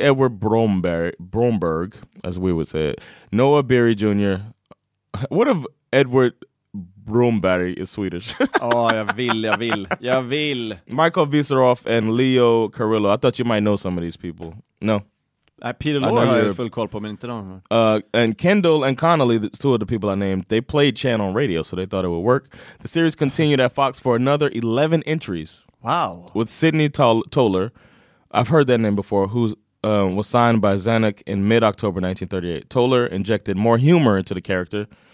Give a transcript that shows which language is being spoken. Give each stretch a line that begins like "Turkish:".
English: Edward Bromberg, as we would say it, Noah Beery Jr. What if Edward Bromberg is Swedish?
Swedish: Oh, jag vill.
English: Michael Viseroff and Leo Carrillo. I thought you might know some of these people. No.
Swedish: Peter Lorre har jag full koll på, men inte dem.
English: And Kendall and Connolly, the two of the people I named, they played Chan on radio, so they thought it would work. The series continued at Fox for another 11 entries. Wow. With Sidney Toler, I've heard that name before, who was signed by Zanuck in mid-October 1938. Toler injected more humor into the character.